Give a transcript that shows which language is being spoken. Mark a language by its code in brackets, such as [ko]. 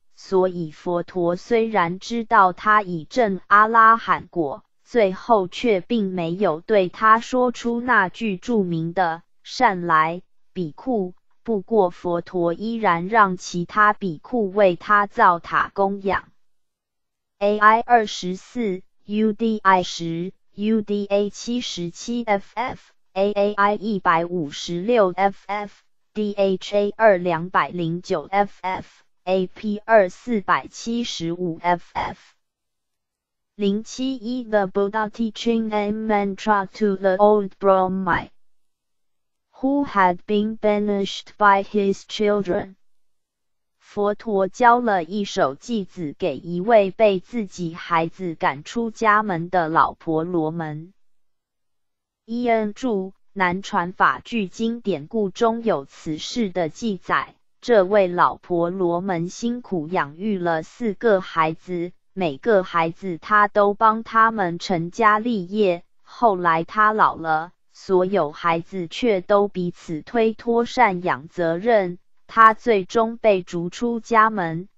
[zh] 所以佛陀虽然知道他已证阿拉罕果，最后却并没有对他说出那句著名的善来比库。不过佛陀依然让其他比库为他造塔供养。 [en] AI 24 UDI 10 UDA 77 FF AAI 156 FF DHA 2209 FF AP 2475 FF071 The Buddha teaching a mantra to the old Brahmai, who had been banished by his children. [zh] 佛陀教了一首偈子给一位被自己孩子赶出家门的老婆罗门。伊恩著《南传法句经》典故中有此事的记载，这位老婆罗门辛苦养育了四个孩子，每个孩子他都帮他们成家立业，后来他老了，所有孩子却都彼此推脱赡养责任，他最终被逐出家门。